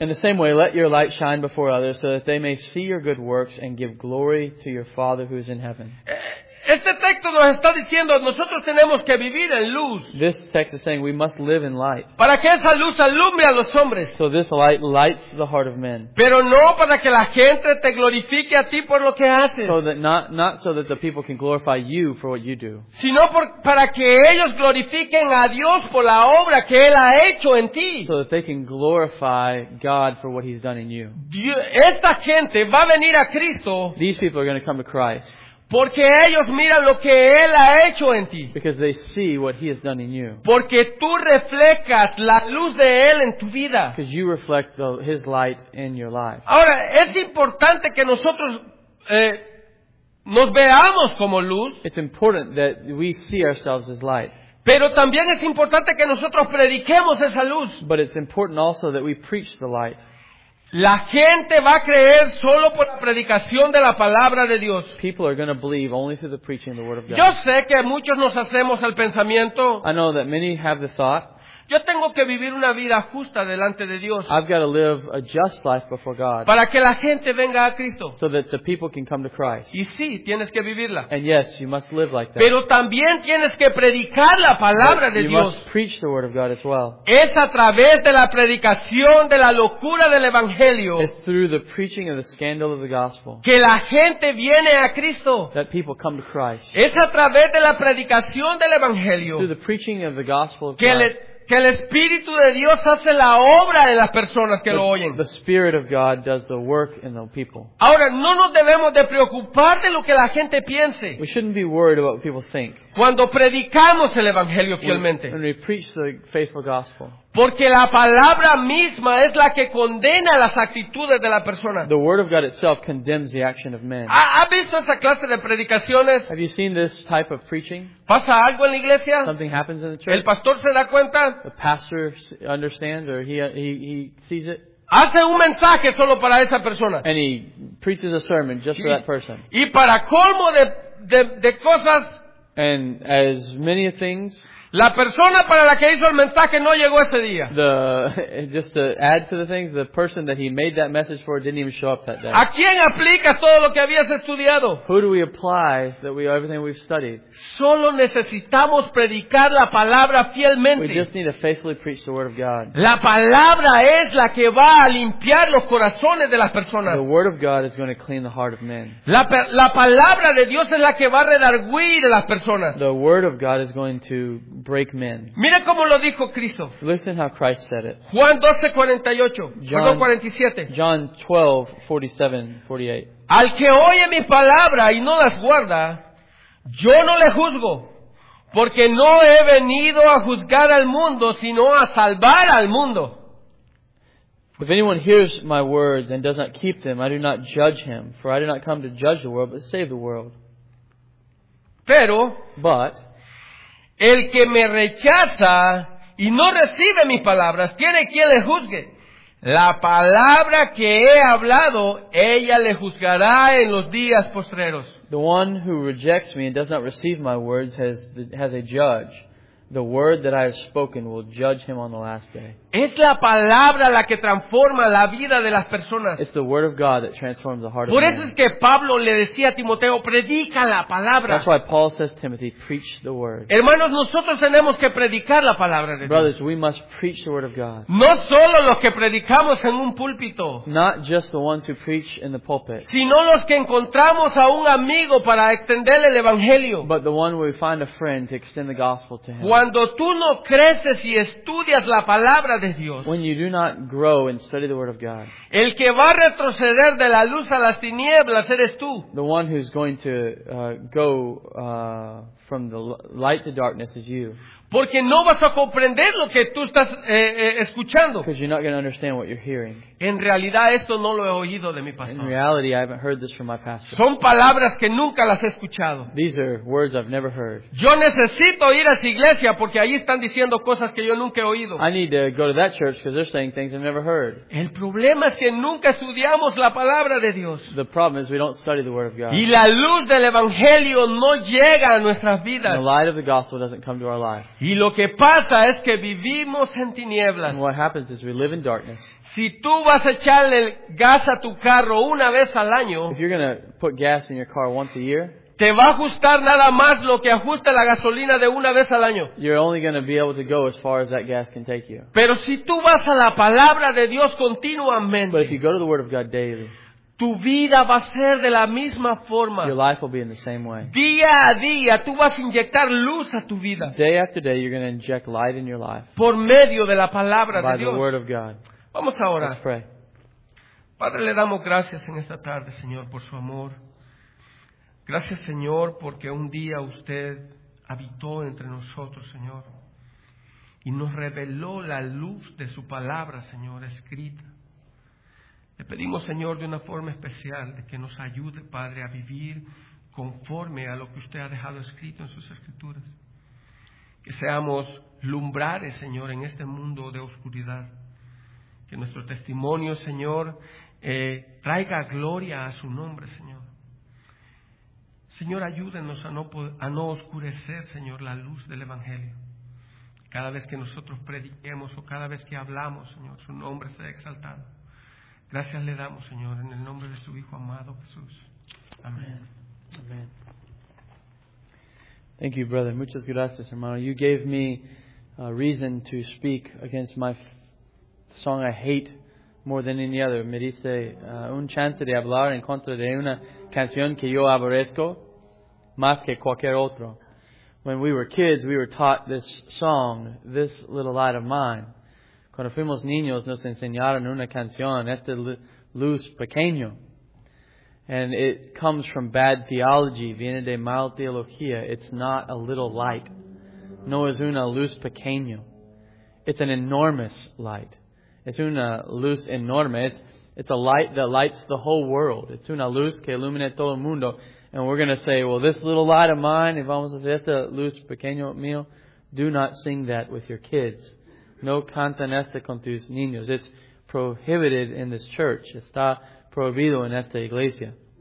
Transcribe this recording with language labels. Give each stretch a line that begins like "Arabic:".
English: In the same way, let your light shine before others so that they may see your good works and give glory to your Father who is in heaven.
Spanish: Este texto nos está diciendo nosotros tenemos que vivir en luz.
English: This text is saying we must live in light.
Spanish: Para que esa luz alumbre a los hombres.
English: So this light lights the heart of men.
Spanish: Pero no para que la gente te glorifique a ti por lo que haces.
English: So that not so that the people can glorify you for what you do.
Spanish: Sino para que ellos glorifiquen a Dios por la obra que Él ha hecho en ti.
English: So that they can glorify God for what He's done in you.
Spanish: Esta gente va a venir a Cristo.
English: These people are going to come to Christ.
Spanish: Porque ellos miran lo que Él ha hecho en ti.
English: Because they see what He has done in you.
Spanish: Porque tú reflejas la luz de Él en tu vida.
English: Because you reflect His light in your life.
Spanish: Ahora, es importante que nosotros nos veamos como luz.
English: It's important that we see ourselves as light.
Spanish: Pero también es importante que nosotros prediquemos esa luz.
English: But it's important also that we preach the light.
Spanish: La gente va a creer solo por la predicación de la palabra de Dios.
English: People are going to believe only through the preaching of the word of God.
Spanish: Yo sé que muchos nos hacemos el pensamiento.
English: I know that many have the thought.
Spanish: Yo tengo que vivir una vida justa delante de Dios.
English: I've got to live a just life before God.
Spanish: Para que la gente venga a Cristo.
English: So that the people can come to Christ.
Spanish: Y sí, tienes que vivirla.
English: And yes, you must live like that.
Spanish: Pero también tienes que predicar la palabra de Dios.
English: You must preach the word of God as well.
Spanish: Es a través de la predicación de la locura del evangelio.
English: It's through the preaching of the scandal of the gospel.
Spanish: Que la gente viene a Cristo.
English: That people come to Christ.
Spanish: Es a través de la predicación del evangelio.
English: It's through the preaching of the gospel of God.
Spanish: Que el Espíritu de Dios hace la obra en las personas que lo oyen.
English: The Spirit of God does the work in the people.
Spanish: Ahora, no nos debemos de preocupar de lo que la gente piense.
English: We shouldn't be worried about what people think.
Spanish: Cuando predicamos el Evangelio fielmente.
English: When we preach the faithful gospel.
Spanish: Porque la palabra misma es la que condena las actitudes de la persona.
English: The word of God itself condemns the action of men.
Spanish: ¿Ha visto esa clase de predicaciones?
English: Have you seen this type of preaching?
Spanish: ¿Pasa algo en la iglesia?
English: Something happens in the church.
Spanish: ¿El pastor se da cuenta?
English: The pastor understands or he sees it.
Spanish: Hace un mensaje solo para esa persona.
English: And he preaches a sermon just for that person.
Spanish: Y para colmo de cosas.
English: And as many things.
Spanish: La persona para la que hizo el mensaje no llegó ese día.
English: Just to add to the thing, the person that he made that message for didn't even show up that day.
Spanish: ¿A quién aplica todo lo que habías estudiado?
English: Who do we apply that everything we've studied?
Spanish: Solo necesitamos predicar la palabra fielmente.
English: We just need to faithfully preach the word of God.
Spanish: La palabra es la que va a limpiar los corazones de las personas.
English: The word of God is going to clean the heart of men.
Spanish: La palabra de Dios es la que va a redarguir a las personas.
English: The word of God is going to break men.
Spanish: Mira cómo lo dijo Cristo.
English: Listen how Christ said it.
Spanish: Juan 12:48.
English: John 12:47-48.
Spanish: Al que oye mi palabra y no las guarda, yo no le juzgo, Porque no he venido a juzgar al mundo, sino a salvar al mundo.
English: If anyone hears my words and does not keep them, I do not judge him, for I do not come to judge the world, but save the world.
Spanish: Pero,
English: but,
Spanish: el que me rechaza y no recibe mis palabras, tiene quien le juzgue. La palabra que he hablado, ella le juzgará en los días postreros.
English: The one who rejects me and does not receive my words has a judge. The word that I have spoken will judge him on the last day.
Spanish: Es la palabra la que transforma la vida de las personas.
English: It's the word of God that transforms the heart
Spanish: Por
English: of
Spanish: eso man. Es que Pablo le decía a Timoteo, predica la palabra.
English: That's why Paul says to Timothy, preach the word.
Spanish: Hermanos, nosotros tenemos que predicar la palabra de Dios.
English: Brothers, we must preach the word of God.
Spanish: No solo los que predicamos en un púlpito.
English: Not just the ones who preach in the pulpit.
Spanish: Sino los que encontramos a un amigo para extenderle el evangelio.
English: But the one where we find a friend to extend the gospel to him.
Spanish: Cuando tú no creces y estudias la palabra de Dios,
English: when you do not grow and study the word of God,
Spanish: el que va a retroceder de la luz a las tinieblas eres tú.
English: The one who's going to go from the light to darkness is you.
Spanish: Porque no vas a comprender lo que tú estás escuchando.
English: Because you're not going to understand what you're hearing.
Spanish: En realidad esto no lo he oído de mi pastor.
English: In reality, I haven't heard this from my pastor.
Spanish: Son palabras que nunca las he escuchado.
English: These are words I've never heard.
Spanish: Yo necesito ir a esa iglesia porque ahí están diciendo cosas que yo nunca he oído.
English: I need to go to that church because they're saying things I've never heard.
Spanish: El problema es que nunca estudiamos la palabra de Dios.
English: The problem is we don't study the word of God.
Spanish: Y la luz del evangelio no llega a nuestras vidas.
English: And the light of the gospel doesn't come to our life.
Spanish: Y lo que pasa es que vivimos en tinieblas.
English: And what happens is we live in darkness.
Spanish: Si tú vas a echarle gas a tu carro una vez al año,
English: if you're gonna put gas in your car once a year,
Spanish: te va a ajustar nada más lo que ajusta la gasolina de una vez al año.
English: You're only going to be able to go as far as that gas can take you.
Spanish: Pero si tú vas a la palabra de Dios continuamente,
English: but if you go to the word of God daily,
Spanish: tu vida va a ser de la misma forma.
English: Your life will be in the same way.
Spanish: Día a día, tú vas a inyectar luz a tu vida.
English: Day after day, you're going to inject light in your life.
Spanish: Por medio de la palabra
English: by
Spanish: de Dios.
English: By the word of God.
Spanish: Vamos a orar.
English: Let's pray.
Spanish: Padre, le damos gracias en esta tarde, Señor, por su amor. Gracias, Señor, porque un día usted habitó entre nosotros, Señor, y nos reveló la luz de su palabra, Señor, escrita. Le pedimos, Señor, de una forma especial, de que nos ayude, Padre, a vivir conforme a lo que usted ha dejado escrito en sus escrituras. Que seamos lumbrares, Señor, en este mundo de oscuridad. Que nuestro testimonio, Señor, traiga gloria a su nombre, Señor. Señor, ayúdenos a no oscurecer, Señor, la luz del Evangelio. Cada vez que nosotros prediquemos o cada vez que hablamos, Señor, su nombre sea exaltado. Gracias le damos, Señor, en el nombre de su Hijo amado, Jesús. Amén. Amén.
English: Thank you, brother.
Spanish: Muchas gracias, hermano.
English: You gave me a reason to speak against my song I hate more than any other.
Spanish: Me dice, un chante de hablar en contra de una canción que yo aborrezco más que cualquier otro.
English: When we were kids, we were taught this song, This Little Light of Mine.
Spanish: Cuando fuimos niños, nos enseñaron una canción, Esta Luz Pequeño.
English: And it comes from bad theology,
Spanish: viene de mal teología.
English: It's not a little light.
Spanish: No es una luz pequeño.
English: It's an enormous light.
Spanish: Es una luz enorme.
English: It's a light that lights the whole world. It's
Spanish: una luz que ilumina todo el mundo.
English: And we're going to say, well, this little light of mine,
Spanish: y vamos a decir, Esta Luz Pequeño mío,
English: do not sing that with your kids.
Spanish: No cantan esta con tus niños.
English: It's prohibited in this church.
Spanish: Está prohibido en esta iglesia.